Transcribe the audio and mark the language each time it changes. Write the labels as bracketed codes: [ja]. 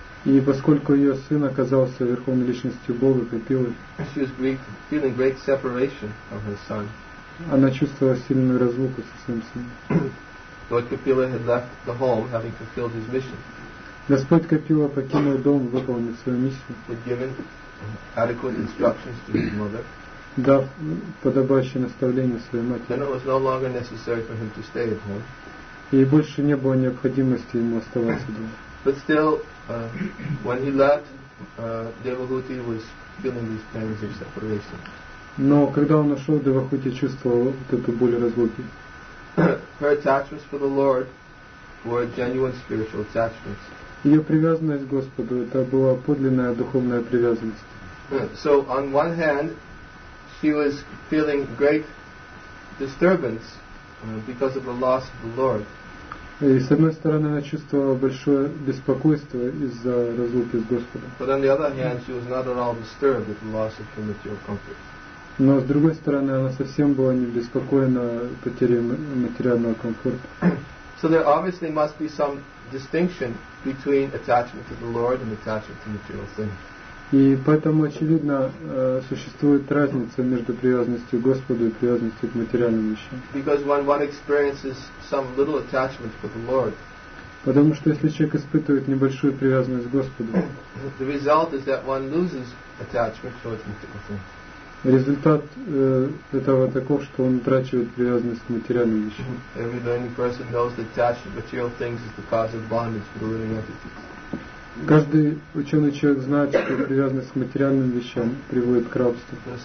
[ru] И поскольку ее сын оказался верховной личностью Бога, Капилы. [en] She was feeling great separation from her son. [ru] Она чувствовала сильную разлуку со своим сыном. [en] Lord Kapila had left the home, having fulfilled his mission. [ru] Господь Капила покинул дом, выполнив свою миссию. [en] Had given adequate instructions to his mother. [ru] Дав подобающее наставление своей матери. [en] Then it was no longer necessary for him to stay at home. [ru] И больше не было необходимости ему оставаться дома. [en] But still, when he left, Devahuti was feeling these pains of separation. [ru] Но когда он ушел, Девахути чувствовал вот эту боль разлуки. [en] Her attachments for the Lord were genuine spiritual attachments. [ru] Ее привязанность к Господу это была подлинная духовная привязанность. [en] So on one hand, she was feeling great disturbance because of the loss of the Lord. [ru] И с одной стороны, она чувствовала большое беспокойство из-за разлуки с Господом. [en] But on the other hand, she was not at all disturbed at the loss of her material comfort. [ru] Но с другой стороны, она совсем была не беспокоена потерей материального комфорта. [en] So there obviously must be some distinction between attachment to the Lord and attachment to material things. [ru] И поэтому, очевидно, существует разница между привязанностью к Господу и привязанностью к материальным вещам. [en] Because when one experiences some little attachment for the Lord, [ru] потому что если человек испытывает небольшую привязанность к Господу, [en] the result is that one loses attachment towards material things. [ru] Результат этого таков, что он утрачивает привязанность к материальным вещам. [en] Every learning person knows that attachment to material things is the cause of bondage for the living entities. [ru] Каждый ученый человек знает, что привязанность к материальным вещам приводит к рабству.